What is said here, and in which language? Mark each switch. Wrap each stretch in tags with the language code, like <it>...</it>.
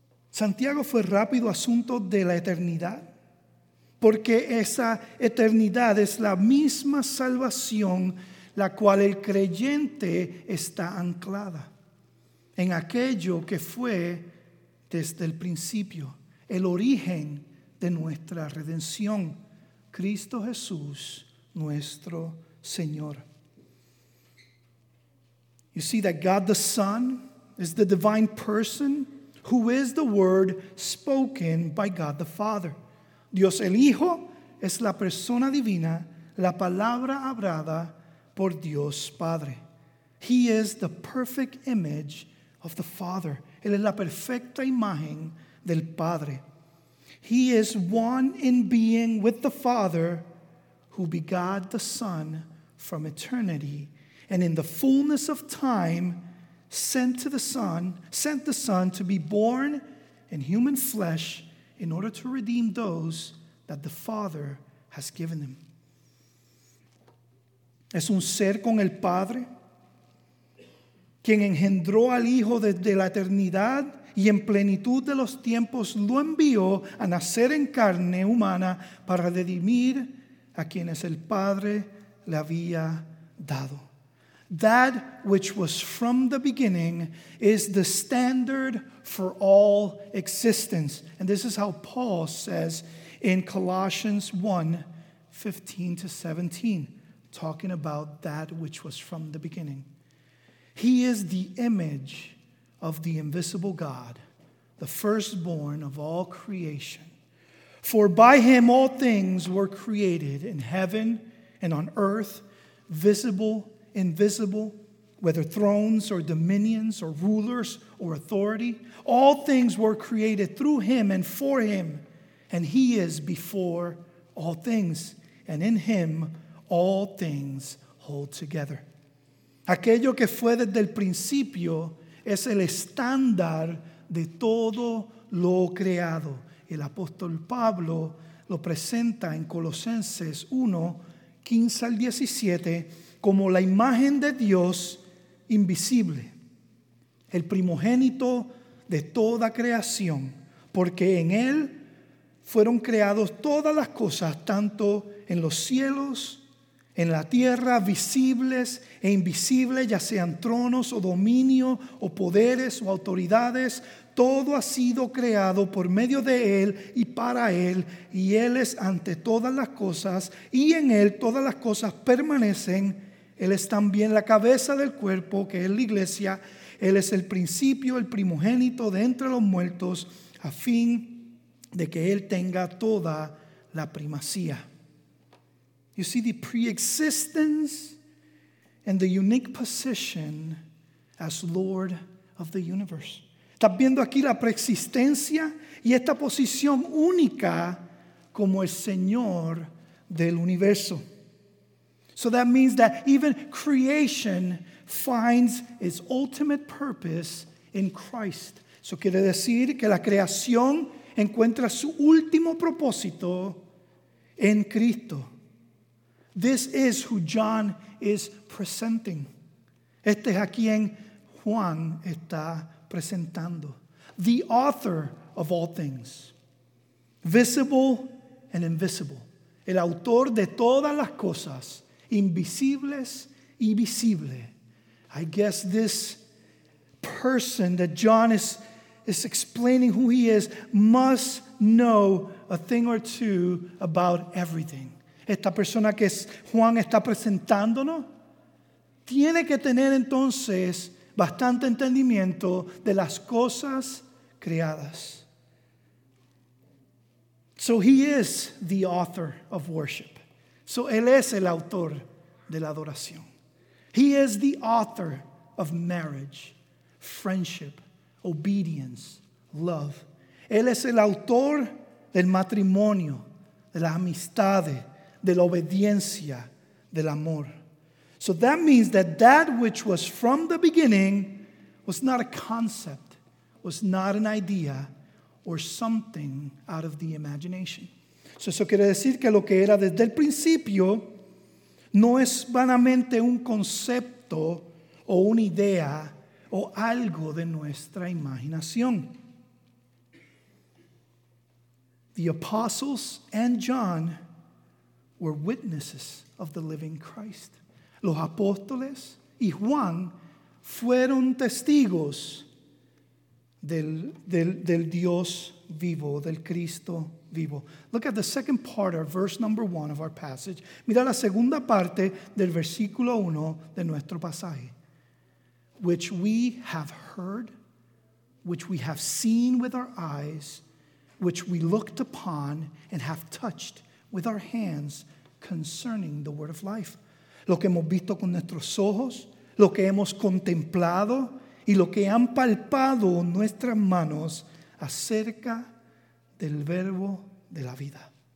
<es>Santiago fue rápido asunto de la eternidad, porque esa eternidad es la misma salvación la cual el creyente está anclada en aquello que fue desde el principio, el origen de nuestra redención, Cristo Jesús, nuestro Señor.</es> <en>You see that God the Son is the divine person who is the Word spoken by God the Father.</en> <es>Dios el Hijo es la persona divina, la palabra hablada por Dios Padre.</es> <en>He is the perfect image of the Father.</en> <es>Él es la perfecta imagen del Padre.</es> <en>He is one in being with the Father, who begot the Son from eternity, and in the fullness of time sent the Son to be born in human flesh in order to redeem those that the Father has given him.</en> <es>Es un ser con el Padre, quien engendró al Hijo desde la eternidad y en plenitud de los tiempos lo envió a nacer en carne humana para redimir a quienes el Padre le había dado.</es> <en>That which was from the beginning is the standard for all existence. And this is how Paul says in Colossians 1, 15 to 17. Talking about that which was from the beginning. He is the image of the invisible God, the firstborn of all creation. For by him all things were created in heaven and on earth, visible, invisible, whether thrones or dominions or rulers or authority. All things were created through him and for him. And he is before all things, and in him all things hold together.</en> <es>Aquello que fue desde el principio es el estándar de todo lo creado. El apóstol Pablo lo presenta en Colosenses 1, 15 al 17 como la imagen de Dios invisible, el primogénito de toda creación, porque en él fueron creadas todas las cosas, tanto en los cielos, en la tierra, visibles e invisibles, ya sean tronos o dominio o poderes o autoridades, todo ha sido creado por medio de él y para él, y él es ante todas las cosas, y en él todas las cosas permanecen. Él es también la cabeza del cuerpo, que es la iglesia. Él es el principio, el primogénito de entre los muertos, a fin de que él tenga toda la primacía.</es> <en>You see, the preexistence and the unique position as Lord of the universe.</en> <es>Estás viendo aquí la preexistencia y esta posición única como el Señor del universo.</es> <en>So that means that even creation finds its ultimate purpose in Christ.</en> <es>Eso quiere decir que la creación encuentra su último propósito en Cristo.</es> <en>This is who John is presenting.</en> <es>Este es a quien Juan está presentando.</es> <en>The author of all things, visible and invisible.</en> <es>El autor de todas las cosas, invisibles y visibles.</es> <en>I guess this person that John is explaining who he is must know a thing or two about everything.</en> <es>Esta persona que Juan está presentándonos tiene que tener entonces bastante entendimiento de las cosas creadas.</es> <en>So he is the author of worship.</en> <es>So él es el autor de la adoración.</es> <en>He is the author of marriage, friendship, obedience, love.</en> <es>Él es el autor del matrimonio, de las amistades, de la obediencia, del amor.</es> <en>So that means that that which was from the beginning was not a concept, was not an idea, or something out of the imagination.</en> <es>So eso quiere decir que lo que era desde el principio no es vanamente un concepto o una idea o algo de nuestra imaginación.</es> <en>The apostles and John were witnesses of the living Christ.</en> <es>Los apóstoles y Juan fueron testigos del Dios vivo, del Cristo vivo.</es> <en>Look at the second part of verse number one of our passage.</en> <es>Mira la segunda parte del versículo uno de nuestro pasaje.</es> <en>Which we have heard, which we have seen with our eyes, which we looked upon and have touched with our hands concerning the word of life.</en> <es>Lo que hemos visto con nuestros ojos, lo que hemos contemplado y lo que han palpado nuestras manos acerca del verbo de la vida.</es>